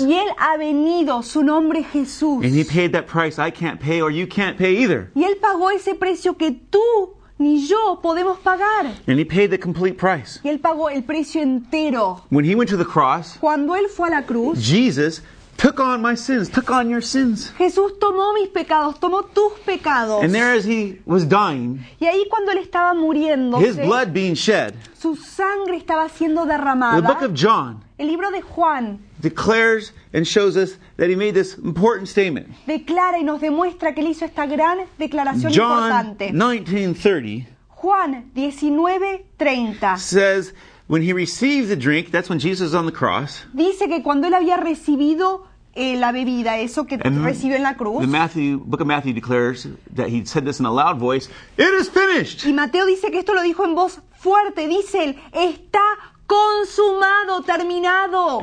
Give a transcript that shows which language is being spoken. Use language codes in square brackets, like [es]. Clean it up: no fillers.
[es] Y él ha venido, su nombre es Jesús. [en] And he paid that price I can't pay or you can't pay either. [es] Y él pagó ese precio que tú ni yo podemos pagar. [en] And he paid the complete price. [es] Y él pagó el precio entero. [en] When he went to the cross, [es] cuando él fue a la cruz, [en] Jesus took on my sins, took on your sins. [es] Jesús tomó mis pecados, tomó tus pecados. [en] And there as he was dying, [es] y ahí cuando él estaba muriendo, [en] his blood being shed, [es] su sangre estaba siendo derramada. [en] The book of John, [es] el libro de Juan, [en] declares and shows us that he made this important statement. [es] Declara y nos demuestra que él hizo esta gran declaración [en] John [es] importante. [en] John 19:30. [es] Juan 19:30. [en] Says when he received the drink, that's when Jesus is on the cross. [es] Dice que cuando él había recibido la bebida, eso que recibió en la cruz. [en] The Matthew, book of Matthew declares that he said this in a loud voice, "It is finished." [es] Y Mateo dice que esto lo dijo en voz fuerte, dice él, "Está consumado, terminado."